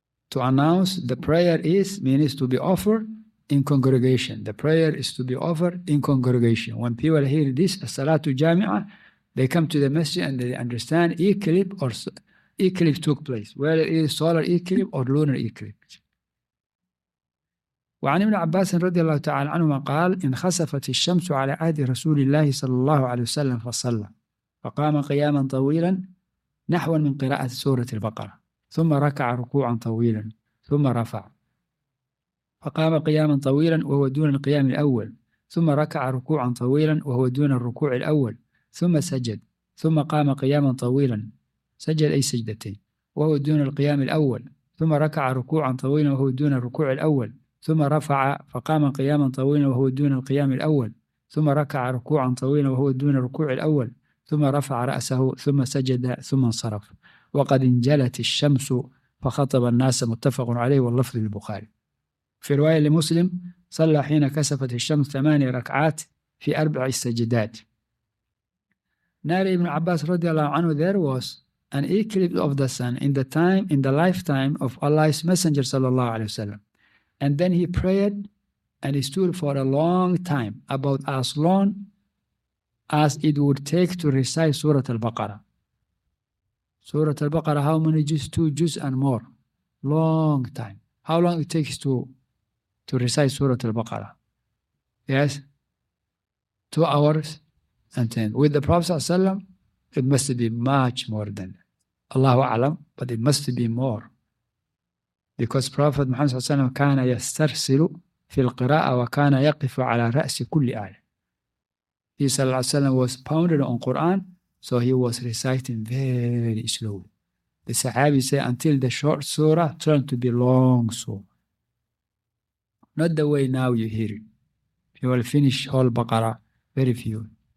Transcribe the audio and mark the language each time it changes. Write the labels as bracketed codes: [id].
[en] To announce the prayer is, means to be offered in congregation. The prayer is to be offered in congregation. When people hear this, As-salatu jami'a, they come to the masjid and they understand eclipse took place, whether it is solar eclipse or lunar eclipse. [ar] وعن ابن عباس رضي الله تعالى عنهما قال: انخسفت الشمس على عهد رسول الله صلى الله عليه وسلم فصلى، فقام قياما طويلا نحو من قراءة سورة البقرة، ثم ركع ركوعا طويلا، ثم رفع، فقام قياما طويلا وهو دون القيام الأول، ثم ركع ركوعا طويلا وهو دون الركوع الأول، ثم سجد، ثم قام قياما طويلا، سجد أي سجدتين، وهو دون القيام الأول، ثم ركع ركوعا طويلا وهو دون الركوع الأول، ثم رفع فقام قياما طويلا وهو دون القيام الأول، ثم ركع ركوعا طويلا وهو دون الركوع الأول، ثم رفع رأسه، ثم سجد، ثم انصرف، وقد انجلت الشمس فخطب الناس، متفق عليه، واللفظ للبخاري. في رواية لمسلم: صلى حين كسفت الشمس 8 ركعات في 4 سجدات. [en] Narrated Ibn Abbas radiallahu anhu, there was an eclipse of the sun in the time, in the lifetime of Allah's Messenger sallallahu alaihi wasallam. And then he prayed and he stood for a long time, about as long as it would take to recite Surah Al-Baqarah. Surah Al-Baqarah, how many juz? 2 juz and more. Long time. How long it takes to recite Surah Al-Baqarah? Yes? 2 hours. And then with the Prophet ﷺ, it must be much more than that. Allahu A'lam, but it must be more. Because [ar] Prophet Muhammad ﷺ كان يسترسل في القراءة وكان يقف على رأس كل آية. [en] He صلى الله عليه وسلم was pounded on Quran, so he was reciting very slowly. The Sahabi say until the short surah turned to be long surah. Not the way now you hear it. He will finish all Baqarah, very few.